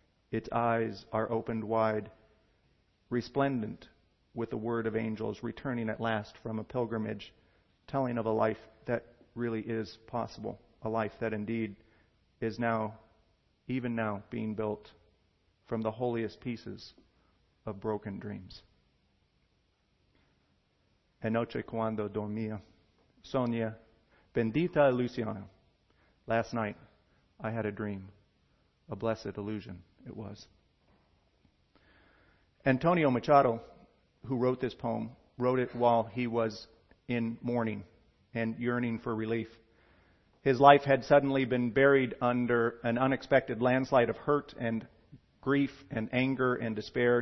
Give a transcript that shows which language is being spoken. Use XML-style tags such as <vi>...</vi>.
<en>Its eyes are opened wide, resplendent with the word of angels, returning at last from a pilgrimage, telling of a life that really is possible, a life that indeed is now, even now, being built from the holiest pieces of broken dreams.</en> <es>Anoche cuando dormía, soñé, bendita ilusión.</es> <en>Last night, I had a dream, a blessed illusion it was. Antonio Machado, who wrote this poem, wrote it while he was in mourning and yearning for relief. His life had suddenly been buried under an unexpected landslide of hurt and grief and anger and despair.</en>